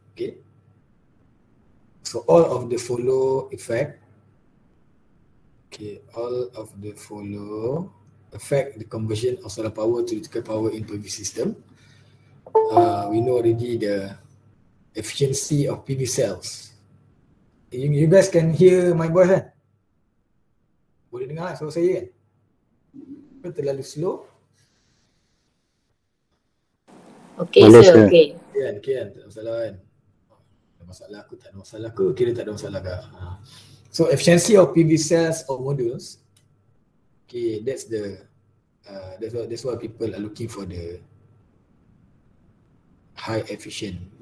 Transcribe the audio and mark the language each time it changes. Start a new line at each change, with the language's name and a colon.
English: Okay. So all of the follow effect. Okay, all of the follow affect the conversion of solar power to electrical power in PV system. We know already the efficiency of PV cells. You guys can hear my voice, eh?
Malay: Boleh dengar lah, so saya kan? Eh? Terlalu slow.
English: Okay, sir, so, okay.
Malay: Kan, kan, tak ada masalah kan? Ada masalah aku, tak ada masalah aku. Kira tak ada masalah kah?
English: So efficiency of PV cells or modules, okay, that's the that's why people are looking for the high efficient.